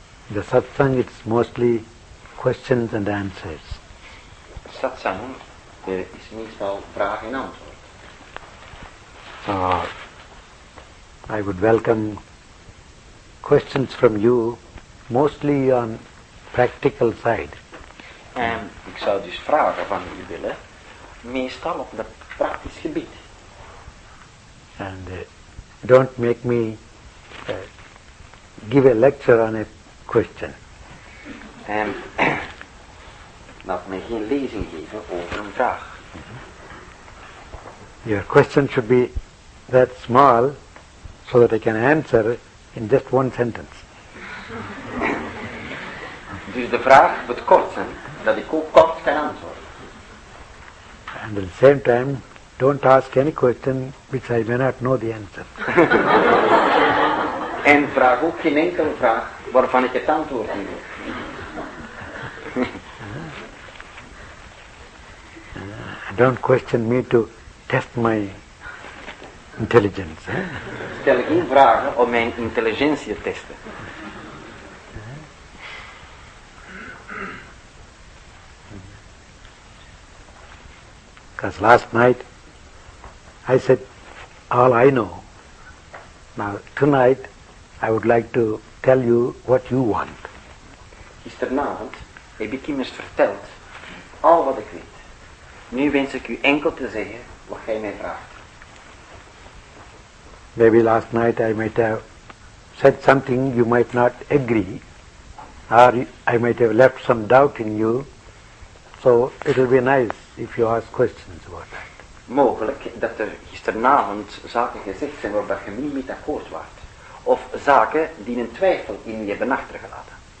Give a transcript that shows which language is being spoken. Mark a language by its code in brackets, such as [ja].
[en] The satsang is mostly questions and answers. [nl] Satsang is meestal vraag en antwoord. [en] So, I would welcome questions from you, mostly on practical side. [nl] En ik zou dus vragen van u willen, meestal op het praktisch gebied. [en] And don't make me give a lecture on a question. [nl] Laat me geen lezing geven over een vraag. [en] Your question should be that small, so that I can answer in just one sentence. [nl] Dus de vraag moet kort zijn, dat ik ook kort kan antwoorden. [en] And at the same time, don't ask any question which I may not know the answer. [nl] En vraag ook geen enkele vraag waarvan ik het antwoord niet weet. [en] Don't question me to test my intelligence. [nl] Stel geen vragen om mijn intelligentie te testen. [en] Because last night I said all I know. Now tonight I would like to tell you what you want. [nl] Gisteravond heb ik u eens verteld al wat ik weet. Nu wens ik u enkel te zeggen wat gij mij vraagt. [en] Maybe last night I might have said something you might not agree, or I might have left some doubt in you. So it will be nice if you ask questions about that. [nl] Mogelijk dat er gisteravond zaken gezegd zijn waar je niet mee akkoord waart. Of zaken die een twijfel in je hebben achtergelaten.